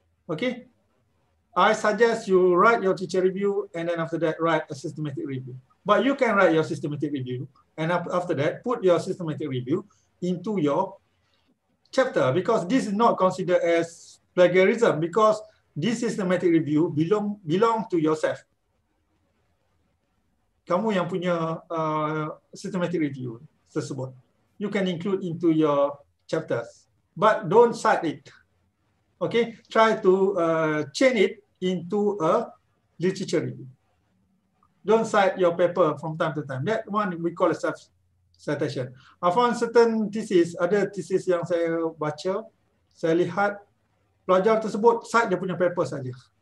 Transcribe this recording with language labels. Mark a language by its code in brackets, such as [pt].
[en] Okay? I suggest you write your teacher review, and then after that, write a systematic review. But you can write your systematic review, and after that, put your systematic review into your chapter, because this is not considered as plagiarism, because this systematic review belong to yourself. [id] Kamu yang punya systematic review tersebut. [en] You can include into your chapters, but don't cite it. Okay, try to chain it into a literature review. Don't cite your paper from time to time. That one we call a self-citation. I found certain thesis, other thesis [id] yang saya baca, saya lihat pelajar tersebut cite dia punya paper saja.